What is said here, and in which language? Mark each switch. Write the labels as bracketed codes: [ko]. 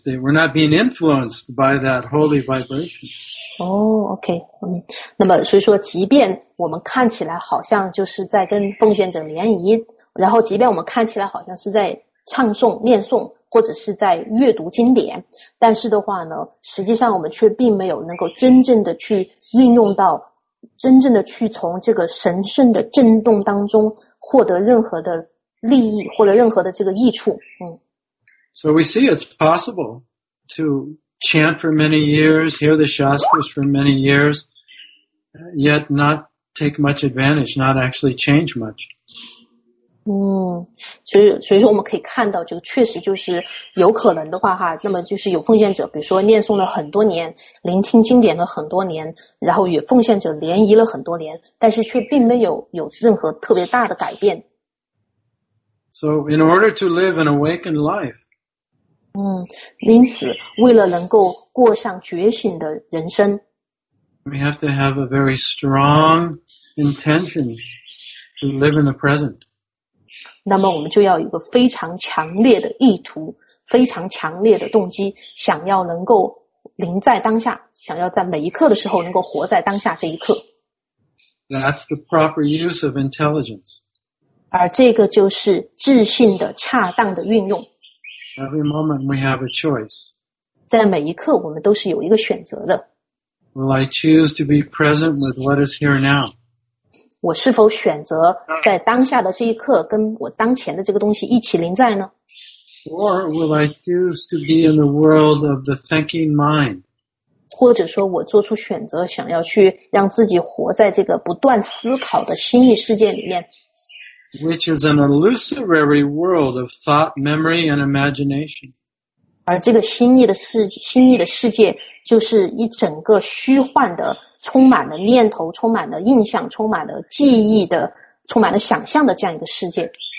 [en] We're not being influenced by that holy vibration. Oh, okay. [zh] 那么所以说，即便我们看起来好像就是在跟奉献者联谊，然后即便我们看起来好像是在唱诵、念诵，或者是在阅读经典，但是的话呢，实际上我们却并没有能够真正的去运用到，真正的去从这个神圣的震动当中获得任何的利益或者任何的这个益处。 [en] So we see it's possible to chant for many years, hear the shastras for many years, yet not take much advantage, not actually change much. [zh] 所以说我们可以看到，这个确实就是有可能的话哈，那么就是有奉献者，比如说念诵了很多年，聆听经典了很多年，然后与奉献者联谊了很多年，但是却并没有任何特别大的改变。 [en] So in order to live an awakened life, [zh] 因此为了能够过上觉醒的人生， [en] we have to have a very strong intention to live in the present. [zh] 那么我们就要有一个非常强烈的意图，非常强烈的动机，想要能够临在当下，想要在每一刻的时候能够活在当下这一刻。 [en] That's the proper use of intelligence. [zh] 而这个就是智性的恰当的运用。 [en] Every moment we have a choice. [zh] 在每一刻我们都是有一个选择的。 [en] Will I choose to be present with what is here now? [zh] 我是否选择在当下的这一刻跟我当前的这个东西一起临在呢？ [en] Or will I choose to be in the world of the thinking mind? [zh] 或者说我做出选择，想要去让自己活在这个不断思考的心意世界里面。 [en] Which is an illusory world of thought, memory, and imagination. [zh] 而这个心意的世界就是一整个虚幻的，充满了念头，充满了印象，充满了记忆的，充满了想象的这样一个世界。